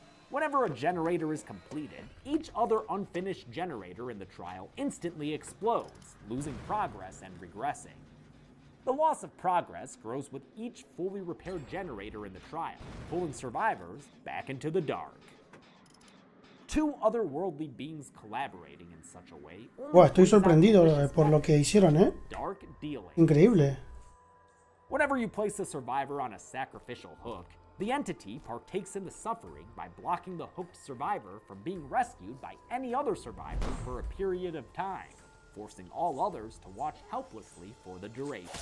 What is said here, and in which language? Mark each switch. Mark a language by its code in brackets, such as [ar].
[en] Whenever a generator is completed, each other unfinished generator in the trial instantly explodes, losing progress and regressing. The loss of progress grows with each fully repaired generator in the trial, pulling survivors back into the dark. Two otherworldly beings collaborating in such a way. [es] Wow, estoy sorprendido por lo que hicieron, ¿eh? Increíble. [en] Whenever you place a survivor on a sacrificial hook, the entity partakes in the suffering by blocking the hooked survivor from being rescued by any other survivor for a period of time, forcing all others to watch helplessly for the duration.